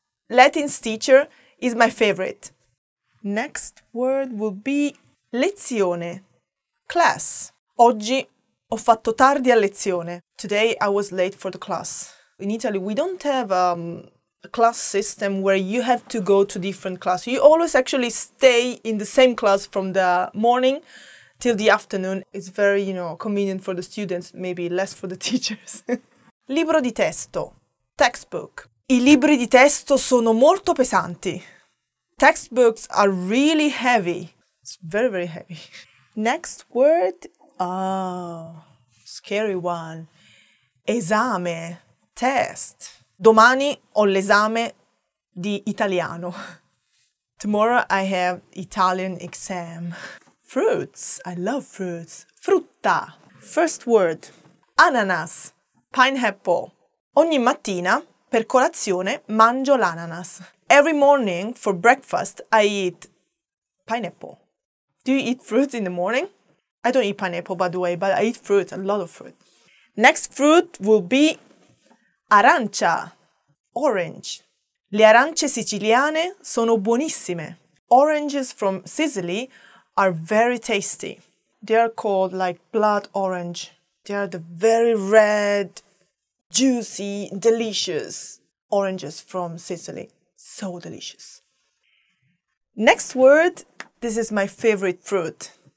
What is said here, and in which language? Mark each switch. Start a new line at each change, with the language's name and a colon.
English: Latin's teacher is my favorite. Next word will be lezione, class.
Italian: Oggi ho fatto tardi a lezione.
English: Today I was late for the class. In Italy we don't have a class system where you have to go to different class. You always actually stay in the same class from the morning till the afternoon. It's very, you know, convenient for the students, maybe less for the teachers.
Italian: Libro di testo, textbook. I libri di testo sono molto pesanti.
English: Textbooks are really heavy. It's very, very heavy. Next word. Oh, scary one. Esame. Test.
Italian: Domani ho l'esame di italiano.
English: Tomorrow I have Italian exam. Fruits. I love fruits. Frutta. First word. Ananas. Pineapple.
Italian: Ogni mattina, per colazione, mangio l'ananas.
English: Every morning, for breakfast, I eat pineapple. Do you eat fruit in the morning? I don't eat pineapple, by the way, but I eat fruit, a lot of fruit. Next fruit will be arancia, orange.
Italian: Le arance siciliane sono buonissime.
English: Oranges from Sicily are very tasty. They are called like blood orange. They are the very red, juicy, delicious oranges from Sicily. So delicious. Next word, this is my favorite fruit.